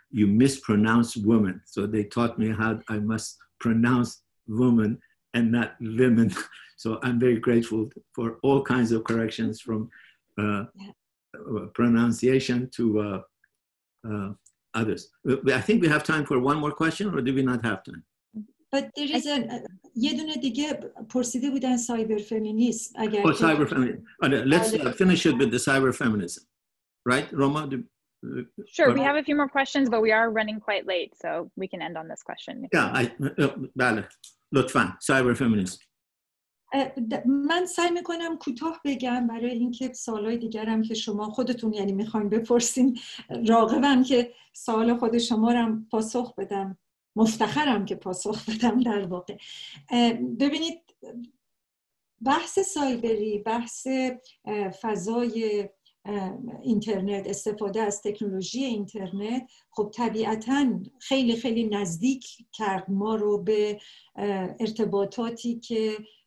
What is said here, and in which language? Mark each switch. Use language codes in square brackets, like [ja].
[en] You mispronounce women. So they taught me how I must pronounce woman and not lemon. So I'm very grateful for all kinds of corrections from pronunciation to others. I think we have time for one more question, or do we not have time? But there is [fa] یه دونه دیگه پرسیده بودن سایبر فمینیسم. اگر سایبر فمینیسم. [en] Let's finish it with the cyber feminism. Right, Roma? Sure, we have a few more questions, but we are running quite late, so we can end on this question. [fa] بله. لطفاً. Cyber feminism. من سعی میکنم کوتاه بگم برای اینکه سوالای دیگرم که شما خودتون یعنی میخواین بپرسین راغبم که سوال خود شما رو پاسخ بدم. مفتخرم که پاسخ بدم در واقع. ببینید بحث سایبری، بحث فضای اینترنت، استفاده از تکنولوژی اینترنت، خب طبیعتاً خیلی خیلی نزدیک کرد ما رو به ارتباطاتی که